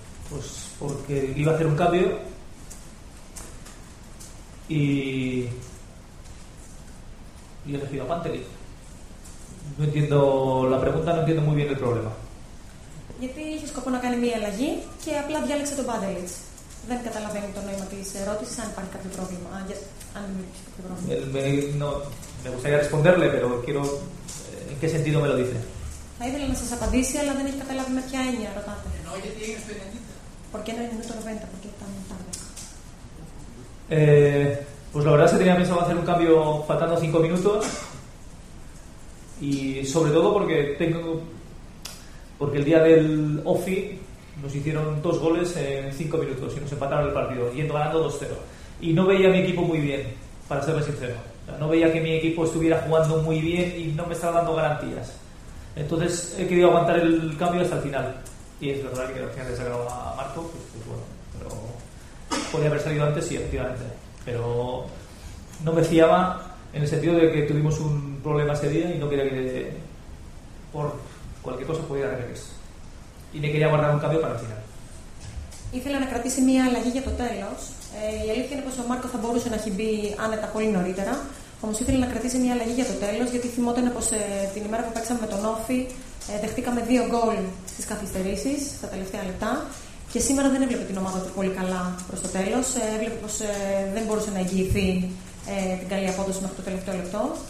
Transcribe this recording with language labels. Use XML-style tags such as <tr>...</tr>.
<es>Pues porque iba a hacer un cambio y he elegido a Pantelis. No entiendo la pregunta, no entiendo muy bien el problema.</es> <el>Γιατί είχε σκοπό να κάνει μία αλλαγή και απλά διάλεξε τον Pantelis. Δεν καταλαβαίνω το νόημα της ερώτησης, αν υπάρχει κάποιο πρόβλημα. Αν υπάρχει κάποιο πρόβλημα.</el> <es>Me gustaría responderle, pero quiero. ¿En qué sentido me lo dice?</es> <el>Θα ήθελα να σας απαντήσει, αλλά δεν έχει καταλάβει με ποια έννοια ρωτάτε. Εννοώ γιατί έγινε στο 90.</el> <es>Porque no en el minuto 90, porque está muy tarde. Pues la verdad se tenía pensado hacer un cambio faltando 5 minutos. Y sobre todo porque tengo. Porque el día del OFI nos hicieron 2 goles en 5 minutos y nos empataron el partido, yendo ganando 2-0. Y no veía a mi equipo muy bien, para serme sincero. O sea, no veía que mi equipo estuviera jugando muy bien y no me estaba dando garantías. Entonces he querido aguantar el cambio hasta el final. Y es verdad que al final le he sacado a Marco, pues bueno, pero podría haber salido antes, sí, efectivamente. Pero no me fiaba en el sentido de que tuvimos un problema ese día y no quería que por cualquier cosa pudiera regresar. Y me quería guardar un cambio para el final.</es> <el>Ήθελα να κρατήσει μια αλλαγή για το τέλος. Η αλήθεια είναι πως ο Μάρκο θα μπορούσε να έχει μπει άνετα πολύ νωρίτερα. Όμως ήθελε να κρατήσει μια αλλαγή για το τέλος, γιατί θυμόταν πως την ημέρα που παίξαμε με τον Όφη δεχτήκαμε 2 γκολ στις καθυστερήσεις στα τελευταία λεπτά. Και σήμερα δεν έβλεπε την ομάδα του πολύ καλά προς το τέλος. Έβλεπε πως δεν μπορούσε να εγγυηθεί την καλή απόδοση μέχρι το τελευταίο λεπτό.</el>